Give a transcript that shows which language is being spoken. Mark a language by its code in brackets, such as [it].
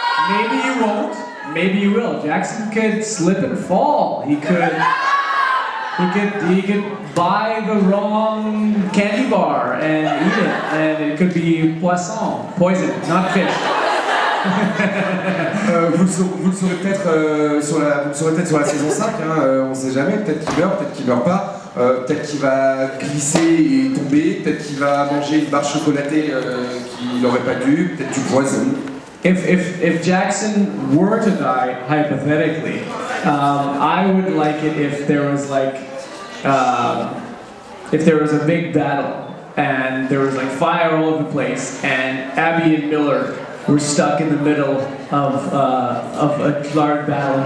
[en] Maybe you won't. Maybe you will. Jackson could slip and fall. He could. he could buy the wrong candy bar and eat it, and it could be poisson, poison, not fish. [fr] vous le saurez peut-être sur la saison 5, hein, on sait jamais, peut-être qu'il meurt pas, peut-être qu'il va glisser et tomber, peut-être qu'il va manger une barre chocolatée qu'il n'aurait pas dû, peut-être du poison. [en] If Jackson were to die, hypothetically, I would like it if there was like, if there was a big battle and there was like fire all over the place and Abby and Miller were stuck in the middle of a large battle.